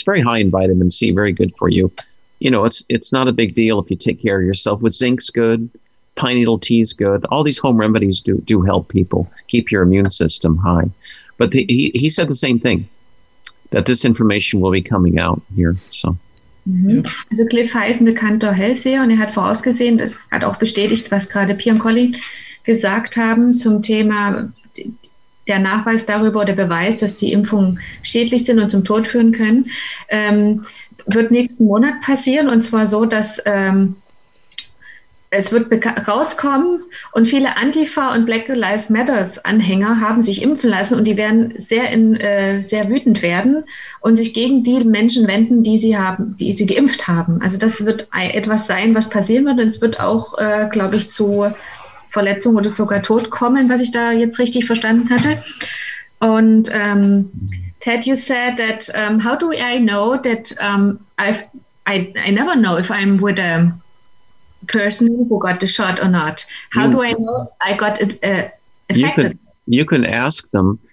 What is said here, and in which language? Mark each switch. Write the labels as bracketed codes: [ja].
[en] It's very high in vitamin C, very good for you. You know, it's not a big deal if you take care of yourself. With zinc's good, pine needle tea's good. All these home remedies do help people keep your immune system high. But he said the same thing, that this information will be coming out here. So. Mhm. [de] Also Cliff Hayes, ein bekannter Hellseher, und er hat vorausgesehen, hat auch bestätigt, was gerade Pia und Colin gesagt haben zum Thema der Nachweis darüber, der Beweis, dass die Impfungen schädlich sind und zum Tod führen können, wird nächsten Monat passieren, und zwar so, dass es wird rauskommen und viele Antifa und Black Lives Matters Anhänger haben sich impfen lassen und die werden sehr wütend werden und sich gegen die Menschen wenden, die sie geimpft haben. Also das wird etwas sein, was passieren wird, und es wird auch, glaube ich, zu Verletzungen oder sogar Tod kommen, was ich da jetzt richtig verstanden hatte. [en] Und Ted, you said that, how do I know that I never know if I'm with a person who got the shot or not. How do I know I got affected? You can ask them.